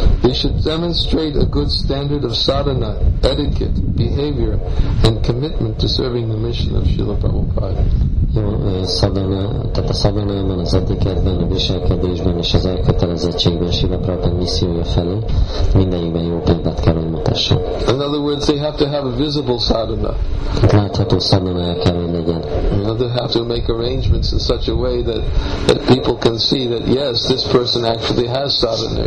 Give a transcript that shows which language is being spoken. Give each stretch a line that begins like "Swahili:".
English: They should demonstrate a good standard of sadhana, etiquette, behavior and commitment to serving the mission of Srila Prabhupada.
Hungarian: Jó, szadana, tehát a szadanában, az etiketben, a viselkedésben és az elkötelezettségben Srila Prabhupada missziója felé mindenikben jó példát kell, hogy mutasson.
English: In other words, they have to have a visible sadhana.
Hungarian: Látható szadana el kell, hogy legyen.
English: You know, they have to make arrangements in such a way that people can see that yes, this person actually has sadhana.